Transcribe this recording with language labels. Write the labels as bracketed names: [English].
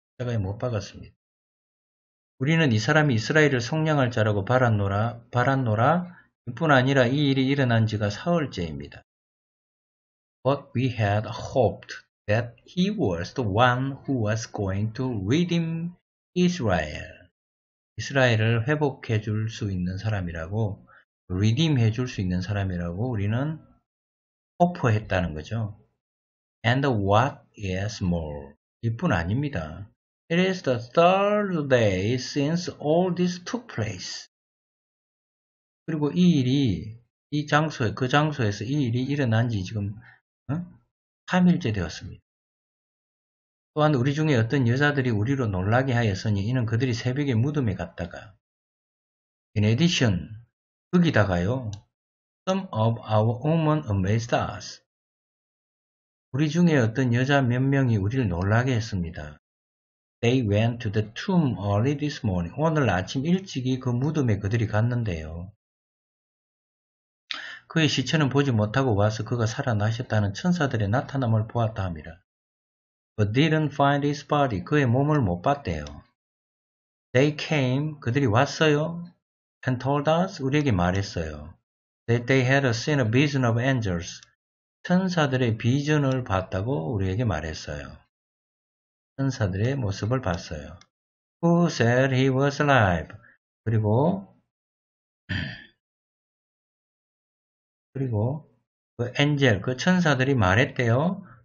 [Korean] 십자가에 못 박았습니다. 우리는 이 사람이 이스라엘을 속량할 자라고 바랐노라, 이뿐 아니라 이 일이 일어난 지가 사흘째입니다. [English] But we had hoped that he was the one who was going to redeem Israel. [Korean] 이스라엘을 회복해 줄 수 있는 사람이라고, redeem 해 줄 수 있는 사람이라고 우리는 hope했다는 거죠. [English] And what is more? [Korean] 이뿐 아닙니다. [English] It is the third day since all this took place. [Korean] 그리고 이 일이 이 장소에 그 장소에서 이 일이 일어난 지 지금 3일째 되었습니다. 또한 우리 중에 어떤 여자들이 우리로 놀라게 하였으니 이는 그들이 새벽에 무덤에 갔다가 [English] In addition, [Korean] 거기다가요 [English] Some of our women amazed us. [Korean] 우리 중에 어떤 여자 몇 명이 우리를 놀라게 했습니다. [English] They went to the tomb early this morning. [Korean] 오늘 아침 일찍이 그 무덤에 그들이 갔는데요. 그의 시체는 보지 못하고 와서 그가 살아나셨다는 천사들의 나타남을 보았다 합니다. [English] But didn't find his body. [Korean] 그의 몸을 못 봤대요. [English] They came. [Korean] 그들이 왔어요. [English] And told us. [Korean] 우리에게 말했어요. [English] That they had seen a vision of angels. [Korean] 천사들의 비전을 봤다고 우리에게 말했어요. 천사들의 모습을 봤어요. [English] Who said he was alive? [Korean] 그리고 그 엔젤, 그 천사들이 말했대요.